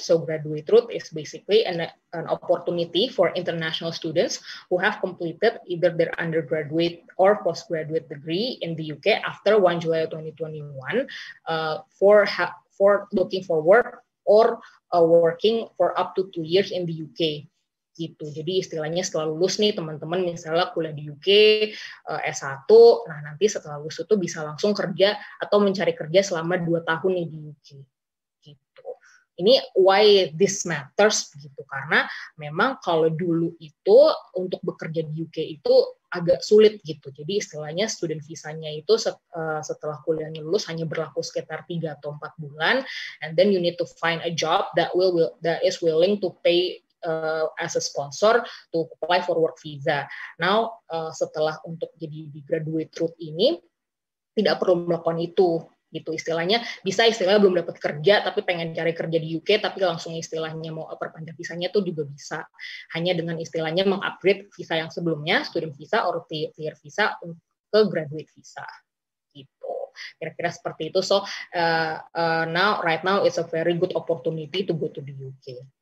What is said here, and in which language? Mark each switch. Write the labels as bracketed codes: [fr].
[en] So, graduate route is basically an opportunity for international students who have completed either their undergraduate or postgraduate degree in the UK after 1 July 2021 for looking for work or working for up to 2 years in the UK. [id] Gitu. Jadi istilahnya setelah lulus nih teman-teman misalnya kuliah di UK S1, nah nanti setelah lulus itu bisa langsung kerja atau mencari kerja selama 2 tahun nih di UK. Gitu. Ini [en] why this matters [id] gitu, karena memang kalau dulu itu untuk bekerja di UK itu agak sulit gitu. Jadi istilahnya student visanya itu setelah kuliah lulus hanya berlaku sekitar 3 atau 4 bulan [en] and then you need to find a job that is willing to pay as a sponsor to apply for work visa. [id] Now, setelah untuk jadi di graduate route ini, tidak perlu melakukan itu. Gitu istilahnya, bisa istilahnya belum dapat kerja, tapi pengen cari kerja di UK, tapi langsung istilahnya mau perpanjang visanya itu juga bisa. Hanya dengan istilahnya mengupgrade visa yang sebelumnya, student visa or tier visa, ke graduate visa. Gitu. Kira-kira seperti itu. [en] So, right now, it's a very good opportunity to go to the UK.